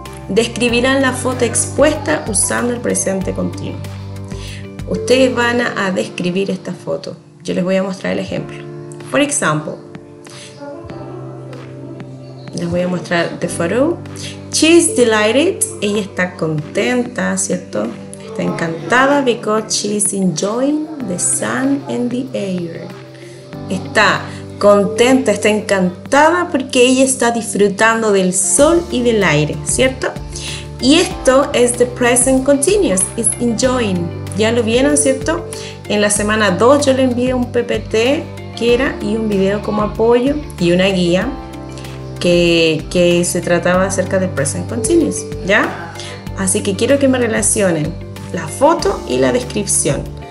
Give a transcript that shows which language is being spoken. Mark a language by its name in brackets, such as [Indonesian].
[Spanish] Describirán la foto expuesta usando el presente continuo. Ustedes van a describir esta foto. Yo les voy a mostrar el ejemplo. For example, les voy a mostrar the photo. She's delighted. Ella está contenta, ¿cierto? [English] Está encantada because she's enjoying the sun and the air. [Spanish] Está contenta, está encantada porque ella está disfrutando del sol y del aire, ¿cierto? [English] Y esto es the present continuous, it's enjoying. [Spanish] Ya lo vieron, ¿cierto? En la semana 2 yo le envié un PPT que era y un video como apoyo y una guía que se trataba acerca de present continuous, ¿ya? Así que quiero que me relacionen la foto y la descripción.